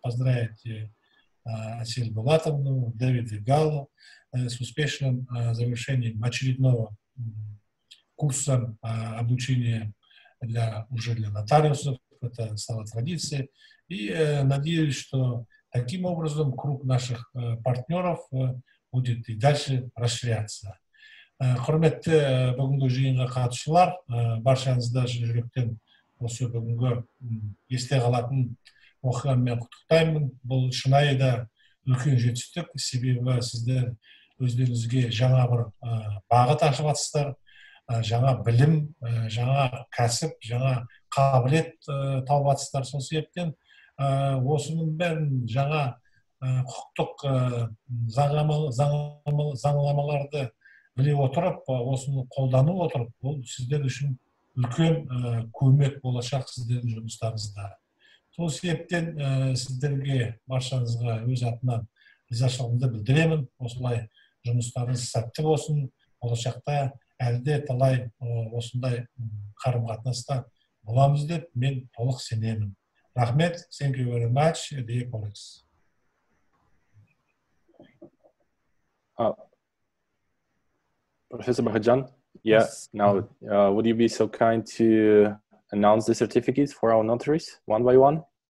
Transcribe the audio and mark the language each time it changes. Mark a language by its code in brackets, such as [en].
[ru] Поздравить Асель Булатовну, Дэвида Галла с успешным завершением очередного курса обучения для нотариусов. Это стало традицией. И надеюсь, что таким образом круг наших партнеров будет и дальше расширяться. [kk] Құрметті бүгінгі жиынға қатысушылар, баршаңызды жүректен осы бүгінгі есте қалатын оқиғамен құттықтаймын. Бұл шынайы да үлкен жетістік, себебі сіздер өздеріңізге жаңа бір бағыт ашып атсыздар, жаңа білім, жаңа кәсіп, жаңа қабілет тауып атсыздар сол себептен. Осының бәрін жаңа құқықтық заңнамаларды біле отырып, осыны қолдану отырып, бұл сіздер үшін үлкен көмек болашақ сіздердің жұмыстарыңызда. Сол себептен сіздерге баршаңызға өз атынан ризашылығымды білдіремін. Осылай жұмыстарыңыз сәтті болсын, болашақта әлде талай осындай қарым-қатынаста боламыз деп мен толық сенемін. Рахмет, [en] thank you very much, dear colleagues. Professor Bahajan, now would you be so kind to announce the certificates for our notaries one by one?